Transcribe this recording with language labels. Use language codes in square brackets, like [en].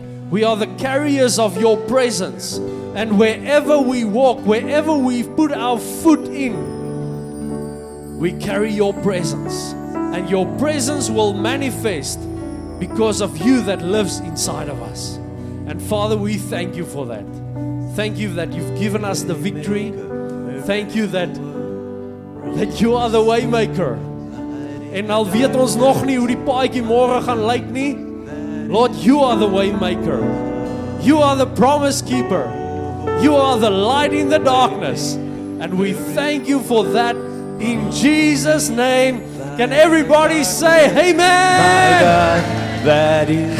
[en] We are the carriers of your presence. And wherever we walk, wherever we put our foot in, we carry your presence. And your presence will manifest because of you that lives inside of us. And Father, we thank you for that. Thank you that you've given us the victory. Thank you that you are the way maker. [af] En al weet ons nog nie hoe die paadjie môre gaan lyk nie. [en] Lord, you are the way maker. You are the promise keeper. You are the light in the darkness. And we thank you for that in Jesus' name. Can everybody say amen? My God, that is